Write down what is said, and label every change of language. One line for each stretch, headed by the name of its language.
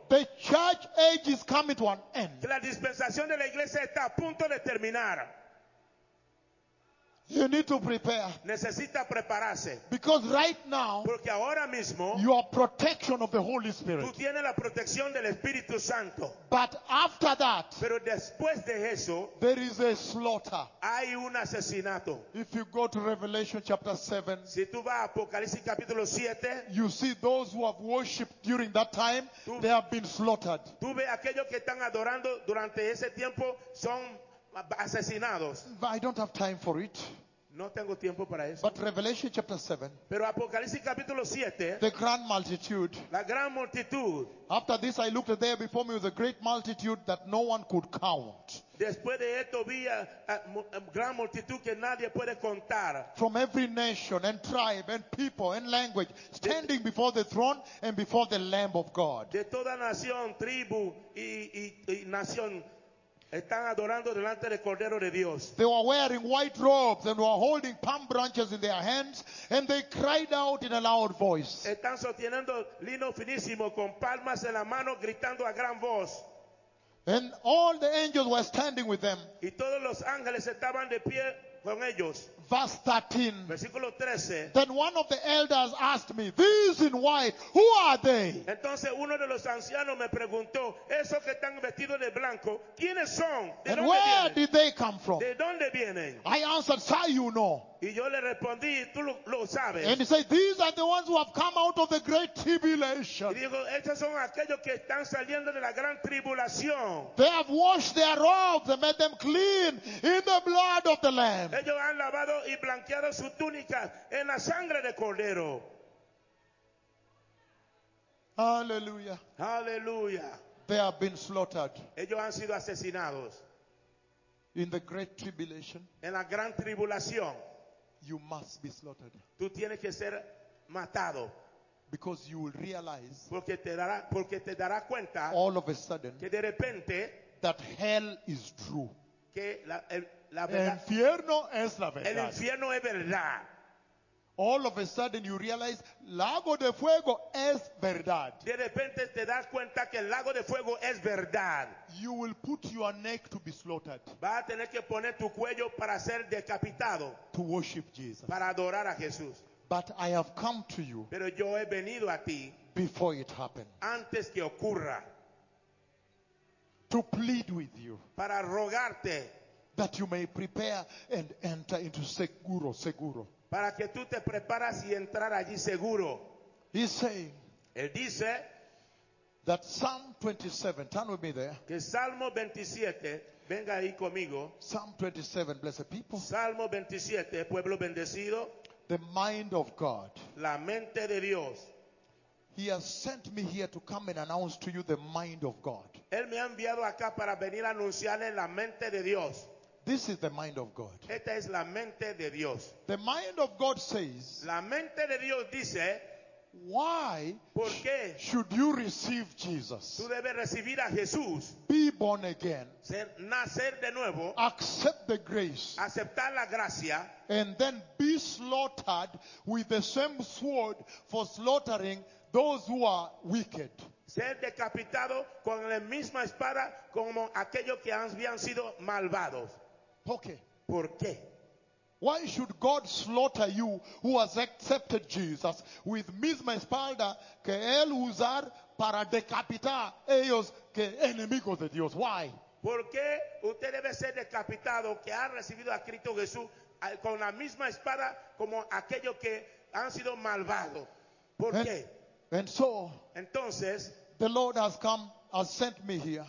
English: the church age is coming to an end.
Spanish: Que la dispensación de la iglesia está a punto de terminar.
English: You need to prepare.
Spanish: Necesita prepararse.
English: Because right now,
Spanish: porque ahora mismo,
English: you are protection of the Holy Spirit.
Spanish: Tú tienes la protección del Espíritu Santo.
English: But after that,
Spanish: pero después de eso,
English: there is a slaughter.
Spanish: Hay un asesinato.
English: If you go to Revelation chapter 7,
Spanish: si tú vas a Apocalipsis capítulo 7,
English: you see those who have worshipped during that time,
Spanish: tú,
English: they have been slaughtered.
Spanish: Tú ves aquellos que están adorando durante ese tiempo son asesinados.
English: But I don't have time for it.
Spanish: No tengo tiempo para eso.
English: But Revelation chapter 7.
Spanish: Pero Apocalipsis capítulo 7.
English: The grand multitude.
Spanish: La gran multitud.
English: After this I looked there before me with a great multitude that no one could count.
Spanish: Después de esto vi a gran multitud que nadie puede contar.
English: From every nation and tribe and people and language standing before the throne and before the Lamb of God.
Spanish: De toda nación, tribu y nación están adorando delante del Cordero de Dios.
English: They were wearing white robes and were holding palm branches in their hands and they cried out in a loud voice.
Spanish: Están sosteniendo lino finísimo con palmas en la mano gritando a gran voz.
English: And all the angels were standing with them.
Spanish: Y todos los ángeles estaban de pie con ellos.
English: Verse 13.
Spanish: Versículo 13.
English: Then one of the elders asked me, these in white, who are they?
Spanish: Entonces uno de los ancianos me preguntó, esos que están vestidos de blanco, ¿quiénes son? ¿De
English: and
Spanish: dónde
English: where
Spanish: vienen?
English: Did they come from?
Spanish: ¿De dónde vienen?
English: I answered, sir, you know.
Spanish: Y yo le respondí, tú lo sabes.
English: And he said, these are the ones who have come out of the great tribulation.
Spanish: Y digo, estos son aquellos que están saliendo de la gran tribulación.
English: They have washed their robes and made them clean in the blood of the Lamb.
Spanish: Ellos han lavado y blanqueado su túnica en la sangre del Cordero.
English: Hallelujah.
Spanish: Hallelujah.
English: They have been slaughtered.
Spanish: Ellos han sido asesinados.
English: In the great tribulation.
Spanish: En la gran tribulación.
English: You must be slaughtered.
Spanish: Tú tienes que ser matado.
English: Because you will realize.
Spanish: Porque te dará cuenta.
English: All of a sudden.
Spanish: Que de repente.
English: That hell is true.
Spanish: Que la verdad. El infierno es la verdad. El infierno es verdad.
English: All of a sudden you realize
Spanish: lago de fuego es verdad. De repente te das cuenta que el lago de fuego es verdad.
English: You will put your neck to be slaughtered.
Spanish: Va a tener que poner tu cuello para ser decapitado.
English: To worship Jesus.
Spanish: Para adorar a Jesús.
English: But I have come to you.
Spanish: Pero yo he venido a ti.
English: Before it happens.
Spanish: Antes que ocurra.
English: To plead with you.
Spanish: Para rogarte.
English: That you may prepare and enter into
Spanish: seguro. para que tú te preparas y entrar allí seguro.
English: He's saying,
Spanish: él dice,
English: that Psalm 27, turn with me there.
Spanish: Que Salmo 27, venga ahí conmigo.
English: Psalm 27, blessed people.
Spanish: Salmo 27, pueblo bendecido.
English: The mind of God.
Spanish: La mente de Dios.
English: He has sent me here to come and announce to you the mind of God.
Spanish: Él me ha enviado acá para venir a anunciarle la mente de Dios.
English: This is the mind of God.
Spanish: Esta es la mente de Dios.
English: The mind of God says,
Spanish: la mente de Dios dice,
English: why
Spanish: ¿por qué
English: should you receive Jesus?
Spanish: Tú debes recibir a Jesús.
English: Be born again.
Spanish: Ser, nacer de nuevo.
English: Accept the grace.
Spanish: Aceptar la gracia.
English: And then be slaughtered with the same sword for slaughtering those who are wicked.
Spanish: Ser decapitado con la misma espada como aquellos que habían sido malvados.
English: Okay.
Spanish: ¿Por qué?
English: Why should God slaughter you who has accepted Jesus with
Spanish: misma espada que él usar para decapitar ellos que enemigos de Dios?
English: Why?
Spanish: ¿Por qué usted debe ser decapitado que ha recibido a Cristo Jesús con la misma espada como aquellos que han sido malvados? ¿Por qué?
English: And so,
Spanish: entonces,
English: the Lord has come, has sent me here,